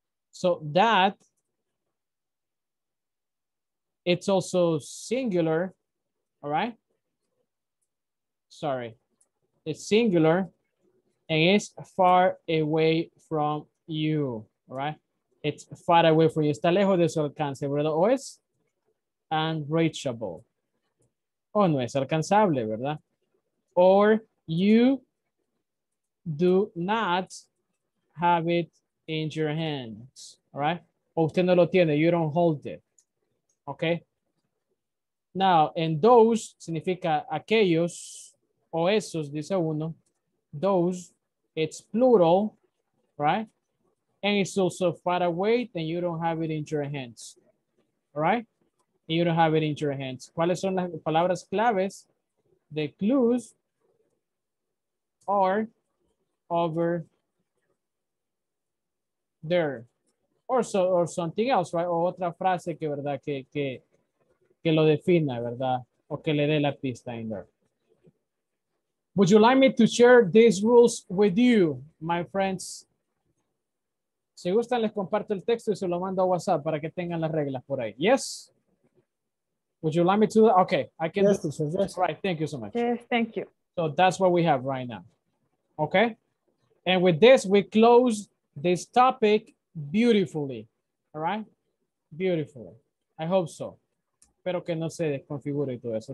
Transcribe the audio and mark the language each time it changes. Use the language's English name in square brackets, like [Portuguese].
[English] So that, it's also singular, all right? Sorry, it's singular and it's far away from you, all right? It's far away from you, [Spanish] está lejos de su alcance, ¿verdad? O es unreachable, o no es alcanzable, ¿verdad? [English] Or you do not have it in your hands, all right? [Spanish] O usted no lo tiene, [English] you don't hold it, okay? Now, and those [Spanish] significa aquellos o esos, dice uno. [English] Those, it's plural, right? And it's also far away, then you don't have it in your hands, all right? And you don't have it in your hands. [Spanish] ¿Cuáles son las palabras claves? [English] The clues are over there. Or, so, or something else, right? [Spanish] O otra frase que, ¿verdad? Que lo defina, ¿verdad? O que le dé la pista [English] in there. Would you like me to share these rules with you, my friends? [Spanish] Si gustan, les comparto el texto y se lo mando a WhatsApp para que tengan las reglas por ahí. [English] Yes? Would you like me to? Okay, I can. Yes, sir, yes. Right, thank you so much. Yes, thank you. So that's what we have right now. Okay? And with this, we close this topic beautifully. All right? Beautifully. I hope so. [Spanish] Espero que no se desconfigure y todo eso.